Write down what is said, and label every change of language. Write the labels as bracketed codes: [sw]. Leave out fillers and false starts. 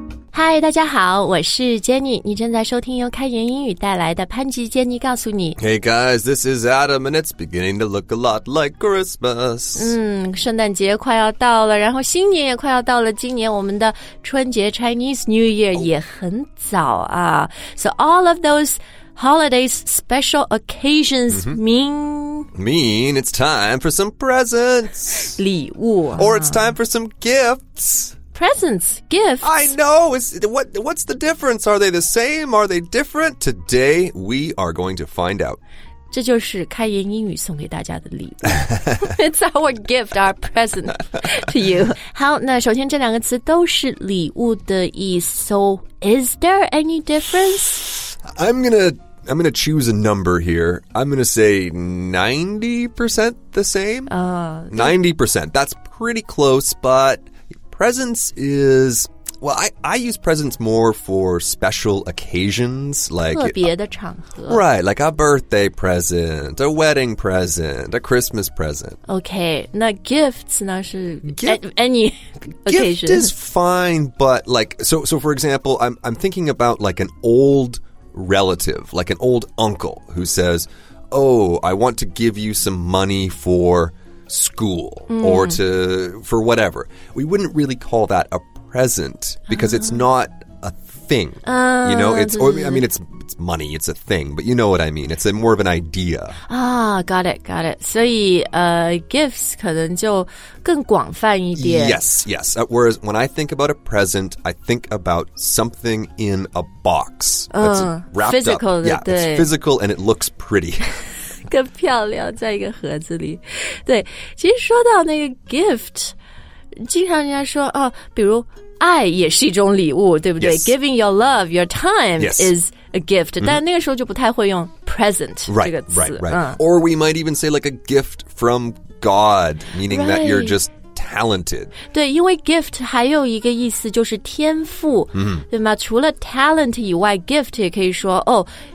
[zh] 嗨，大家好，我是 Jenny， 你正在收听由开言英语带来的潘吉 Jenny 告诉你。 [en] Hey guys, this is Adam, and it's beginning to look a lot like Christmas. [zh] 圣诞节快要到了，然后新年也快要到了，今年我们的春节 [en] Chinese New Year [zh] 也很早啊。 [en] So all of those holidays, special occasions mean it's time for some presents. [zh] 礼物。 [en] Or it's time for some gifts. Presents, gifts. I know. What's the difference? Are they the same? Are they different? Today, we are going to find out. [zh] 这就是开言英语送给大家的礼物。 [en] It's our gift, our present to you. [zh] 好，那首先这两个词都是礼物的意思。 [en] So, is there any difference? I'm gonna choose a number here. I'm gonna say 90% the same. 90%. That's pretty close, but... Presents is, well, I use presents more for special occasions, like... [zh] 特别的场合。 [en] Right, like a birthday present, a wedding present, a Christmas present. [zh] Okay, 那 gifts 呢是 [en] any occasion. Gift is fine, but like, so for example, I'm thinking about like an old relative, like an old uncle who says, oh, I want to give you some money for... school or to for whatever. We wouldn't really call that a present because it's not a thing. You know, it's, or, I mean, it's money, it's a thing, but you know what I mean. It's a more of an idea. Ah, got it. [zh] 所以gifts 可能就更广泛一点。 [en] Yes. Whereas when I think about a present, I think about something in a box. That's wrapped physical up. Yeah, it's physical and it looks pretty. [zh] 更漂亮在一个盒子里。对，其实说到那个 gift, 经常人家说、哦、比如爱也是一种礼物，对不对、 [en] yes. Giving your love, your time、 yes. is a gift,、mm-hmm. [zh] 但那个时候就不太会用 present 这个词。 [en] Right. Or we might even say like a gift from God, meaning、 right. that you're just talented. [zh] 对，因为 gift 还有一个意思就是天赋、 [en] mm-hmm. [zh] 对吗？除了 talent 以外， gift 也可以说哦。